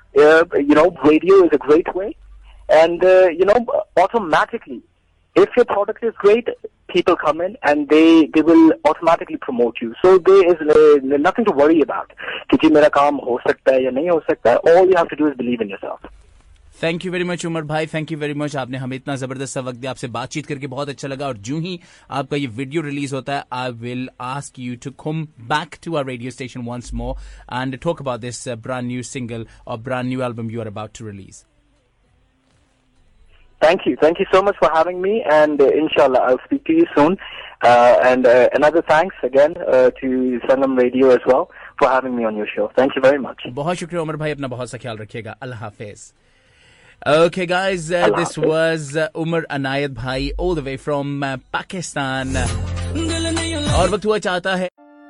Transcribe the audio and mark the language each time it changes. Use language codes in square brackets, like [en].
[en] You know, radio is a great way. And, you know, automatically, if your product is great, people come in and they will automatically promote you. So there is nothing to worry about. [ur] Ki ji mera kaam ho sakta hai [en] ya nahi ho sakta hai. All you have to do is believe in yourself. Thank you very much Umar بھائی, thank you very much. [ur] آپ نے ہمیں اتنا زبردست سا وقت دیا, آپ سے بات چیت کر کے بہت اچھا لگا. اور جوں ہی آپ کا یہ ویڈیو ریلیز ہوتا ہے, [en] I will ask you to come back to our radio station once more and talk about this brand new single اور brand new album you are about to release. Thank you so much for having me, and انشاء اللہ I will speak to you soon. And another thanks again to Sangam radio as well for having me on your show. Thank you very much. [ur] بہت شکریہ عمر بھائی, اپنا بہت سا خیال رکھیے گا. اللہ حافظ. [en] Okay guys, this was Umar Inayat bhai all the way from Pakistan. [ur] Aur waqt hua chahta hai.